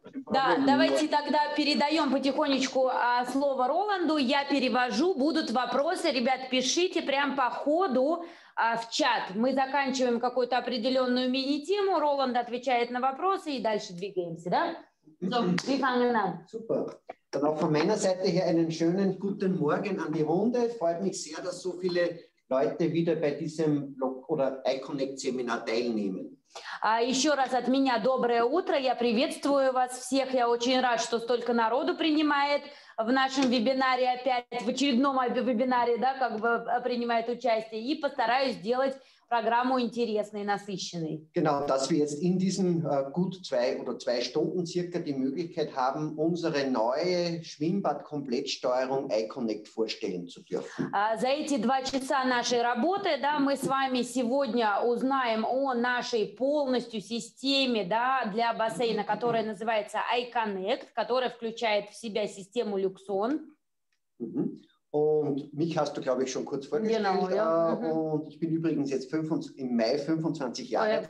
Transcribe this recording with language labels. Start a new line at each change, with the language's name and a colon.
Russian: Да, давайте тогда передаем потихонечку слово Роланду. Я перевожу, будут вопросы. Ребят, пишите прямо по ходу в чат. Мы заканчиваем какую-то определенную мини-тему. Роланд отвечает на вопросы и дальше двигаемся, да?
German: Wir fangen an. Super. Dann auch von meiner Seite her einen schönen guten Morgen an die Runde. Freut mich sehr, dass so viele Leute wieder bei diesem Blog oder iConnect Seminar teilnehmen.
Russian: Еще раз от меня доброе утро. Я приветствую вас всех. Я очень рад, что столько народу принимает в нашем вебинаре опять, в очередном вебинаре, да, как бы принимает участие. И постараюсь сделать программу интересной, насыщенной.
German: Genau, dass wir jetzt in diesen gut zwei oder zwei Stunden circa die Möglichkeit haben, unsere neue Schwimmbad-Komplettsteuerung iConnect vorstellen zu dürfen.
Russian: За эти два часа нашей работы, да, мы с вами сегодня узнаем о нашей полностью системе, да, для бассейна, которая называется iConnect, которая включает в себя систему Luxon.
German: Und mich hast du, glaube ich, schon kurz vorgestellt. Genau, ja. Und ich bin übrigens jetzt im Mai 25 Jahre alt.